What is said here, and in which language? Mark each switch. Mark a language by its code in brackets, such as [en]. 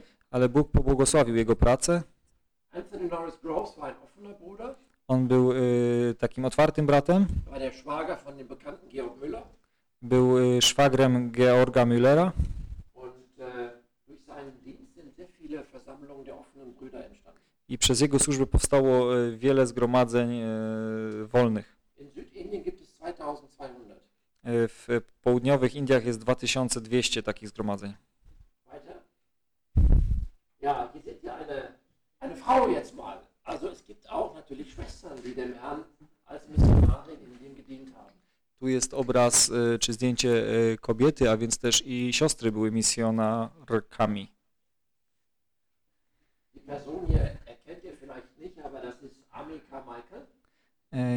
[pl] ale Bóg pobłogosławił jego pracę. [de] Anthony Norris Groves war ein offener Bruder. [pl] On był takim otwartym bratem. [de] War der Schwager von dem bekannten Georg Müller. [pl] Był szwagrem Georga Müllera. [de] Und durch seinen Dienst sind sehr viele Versammlungen der offenen Brüder entstanden. [pl] I przez jego służbę powstało wiele zgromadzeń wolnych. [de] In Südindien gibt es 2200. [pl] W południowych Indiach jest 2200 takich zgromadzeń. [de] Ja, hier seht ihr eine Frau jetzt mal. Also es gibt auch natürlich Schwestern, die dem Herrn als Missionarin in dem gedient haben. [pl] Tu jest obraz czy zdjęcie kobiety, a więc też i siostry były misjonarkami. [de] Die Person hier erkennt ihr vielleicht nicht, aber das ist Ami Carmichael.